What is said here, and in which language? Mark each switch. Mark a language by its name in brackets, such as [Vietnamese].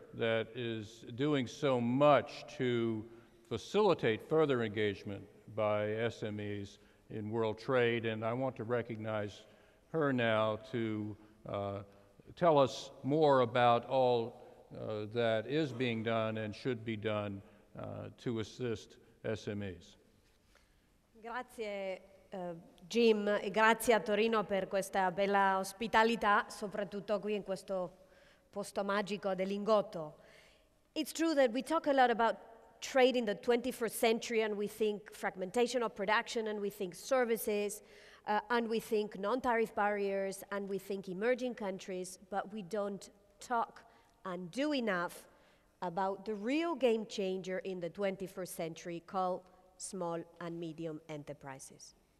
[English] that is doing so much to facilitate further engagement by SMEs in world trade, and I want to recognize her now to tell us more about all that is being done and should be done to assist SMEs. [Italian] Grazie, Jim, e grazie a Torino per questa bella ospitalità, soprattutto qui in questo posto magico del Lingotto. [English] It's true that we talk a lot about trade in the 21st century, and we think fragmentation of production, and we think services, and we think non-tariff barriers, and we think emerging countries, but we don't talk and do enough about the real game changer in the 21st century called small and medium enterprises.